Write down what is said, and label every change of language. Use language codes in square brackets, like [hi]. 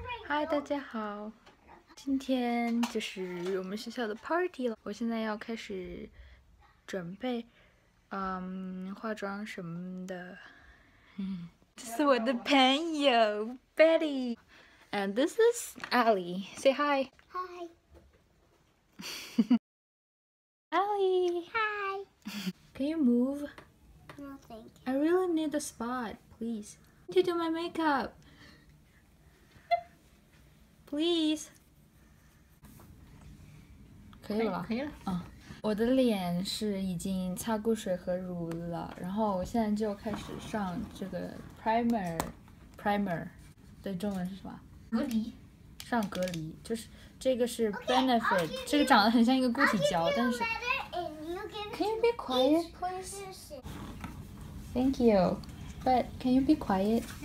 [zh] 嗨，大家好，今天就是我们学校的 party 了。我现在要开始准备，化妆什么的。这是我的朋友 Betty， [en] and this is Ali. Say hi. Ali, can you move? No, thank I really need a spot, please. To do my makeup. [zh] Please，可以了吧？可以了。我的脸是已经擦过水和乳了，然后我现在就开始上这个 primer，对，中文是什么？隔离。上隔离，就是这个是 benefit，这个长得很像一个固体胶，但是 [en] Can you be quiet, please? Thank you, but can you be quiet?